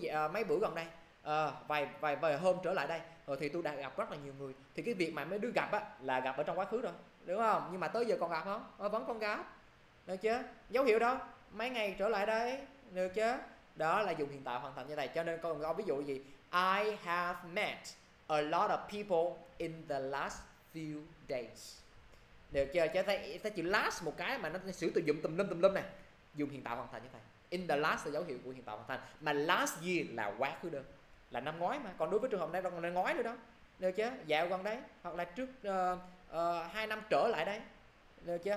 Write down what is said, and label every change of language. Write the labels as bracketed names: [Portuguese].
[Vietnamese] Mấy bữa gần đây, vài vài vài hôm trở lại đây rồi thì tôi đã gặp rất là nhiều người. Thì cái việc mà mấy đứa gặp á là gặp ở trong quá khứ rồi, đúng không? Nhưng mà tới giờ còn gặp không? Vẫn còn gặp. Được chưa? Dấu hiệu đó, mấy ngày trở lại đây. Được chưa? Đó là dùng hiện tại hoàn thành như này. Cho nên con ví dụ gì? [English] I have met a lot of people in the last few days. [Vietnamese] Được chưa? Cho thấy chữ last một cái mà nó sử tự dụng tùm lum này. Dùng hiện tại hoàn thành như vậy. [English] In the last [Vietnamese] là dấu hiệu của hiện tại hoàn thành. Mà last year là quá khứ đơn, là năm ngoái mà. Còn đối với trường hợp này là ngoái nữa đó. Được chưa? Dạo gần đây, hoặc là trước 2 năm trở lại đây. Được chưa?